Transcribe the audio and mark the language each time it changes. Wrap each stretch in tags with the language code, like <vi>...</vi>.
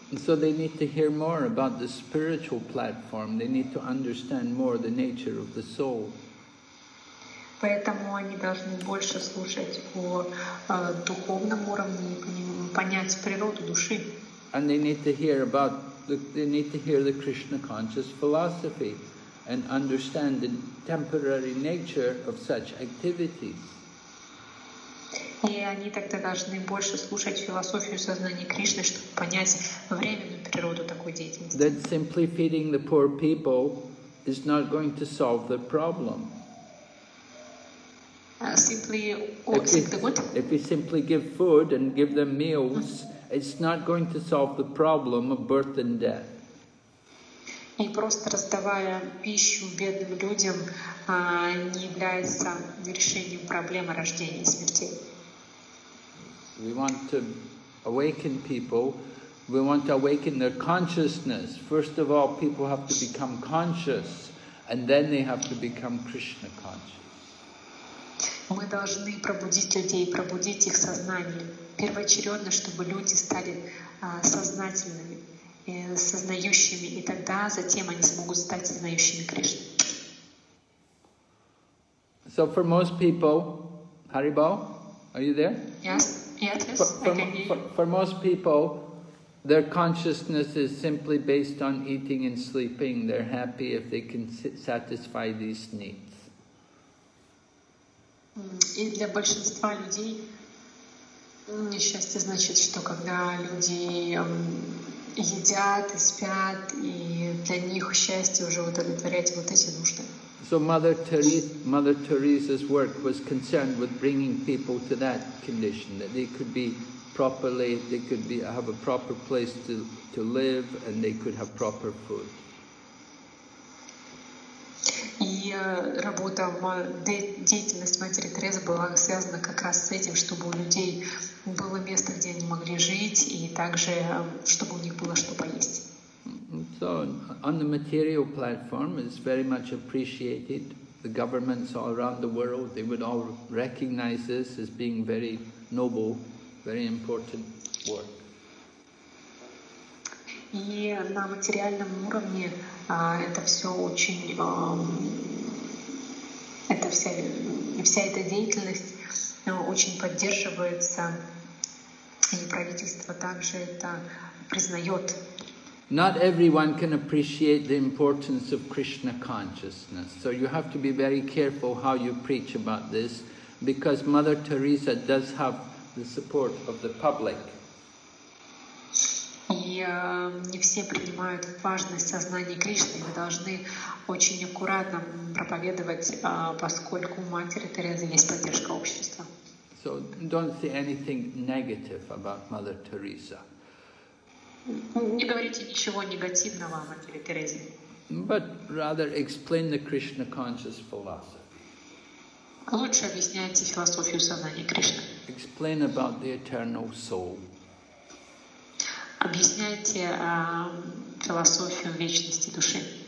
<en>So they need to hear more about the spiritual platform. They need to understand more the nature of the soul.</en> <ru>Поэтому они должны больше слушать о духовном уровне и понять природу души.</ru> <en>And they need to hear the Krishna conscious philosophy. and understand the temporary nature of such activities.</en> <ru>И они тогда должны больше слушать философию сознания Кришны, чтобы понять временную природу такой деятельности.</ru> <en>That simply feeding the poor people is not going to solve the problem. If you simply give food and give them meals, it's not going to solve the problem of birth and death.</en> <ru>И просто раздавая пищу бедным людям, не является решением проблемы рождения и смерти.</ru> <en>We want to awaken people. We want to awaken their consciousness. First of all, people have to become conscious, and then they have to become Krishna conscious.</en> <ru>Мы должны пробудить людей, пробудить их сознание. Первоочередно, чтобы люди стали сознательными, сознающими, и тогда затем они смогут стать знающими Кришну.</ru> <en>So for most people, Haribol, are you there? Yes. For most people, their consciousness is simply based on eating and sleeping. They're happy if they can satisfy these needs.</en> <ru>И для большинства людей несчастье значит, что когда люди едят и спят, и для них счастье уже удовлетворять вот эти нужды.</ru> <en>So Mother Teresa's work was concerned with bringing people to that condition, that they could be properly, they could be have a proper place to live, and they could have proper food.</en> <ru>И работа деятельность Матери Терезы была связана как раз с этим, чтобы у людей было место, где они могли жить, и также чтобы у них было что поесть.</ru> <en>So, on the material platform, it's very much appreciated. The governments all around the world, they would all recognize this as being very noble, very important work.</en> <ru>И на материальном уровне это все очень, это вся эта деятельность очень поддерживается, и правительство также это признает.</ru> <en>Not everyone can appreciate the importance of Krishna consciousness. So you have to be very careful how you preach about this, because Mother Teresa does have the support of the public.</en> <ru>И не все принимают важность сознания Кришны. Мы должны очень аккуратно проповедовать, поскольку у Матери Терезы есть поддержка общества.</ru> <en>So don't say anything negative about Mother Teresa.</en> <ru>Не говорите ничего негативного о Матери Терезе.</ru> <en>But rather explain the Krishna conscious philosophy.</en> <ru>Лучше объясняйте философию сознания Кришны.</ru> <en>Explain about the eternal soul.</en> <ru>Объясняйте философию вечности души.</ru>